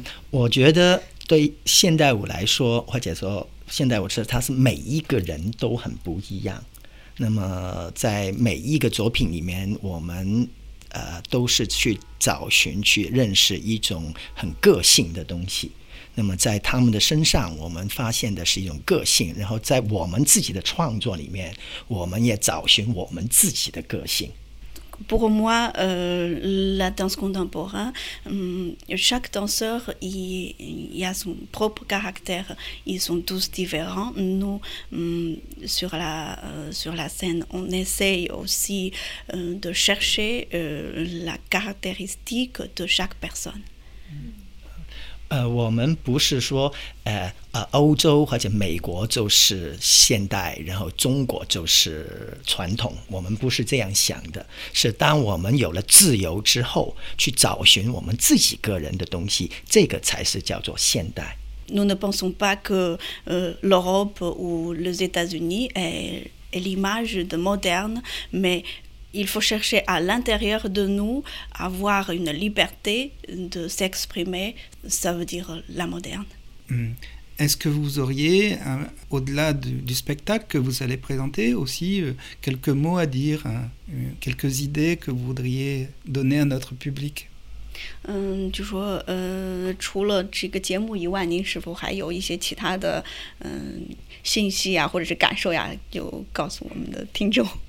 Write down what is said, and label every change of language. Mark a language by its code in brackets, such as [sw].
[zh] 我觉得对现代舞来说，或者说现代舞是它是每一个人都很不一样，那么在每一个作品里面我们都是去找寻去认识一种很个性的东西，那么在他们的身上我们发现的是一种个性，然后在我们自己的创作里面我们也找寻我们自己的个性。 [fr] Pour moi, la danse contemporaine, chaque danseur y a son propre caractère, ils sont tous différents. Nous, sur la scène, on essaye aussi de chercher la caractéristique de chaque personne. [zh] 我们不是说欧洲或者美国就是现代，然后中国就是传统，我们不是这样想的，是当我们有了自由之后去找寻我们自己个人的东西，这个才是叫做现代。 [fr] Nous ne pensons pas que l'Europe ou les États-Unis est l'image de moderne, mais il faut chercher à l'intérieur de nous avoir une liberté de s'exprimer, ça veut dire la moderne. Est-ce que vous auriez, au-delà du spectacle que vous allez présenter, aussi quelques mots à dire, quelques idées que vous voudriez donner à notre public? [zh] 就说除了这个节目以外，您是否还有一些其他的信息啊，或者是感受呀，就告诉我们的听众。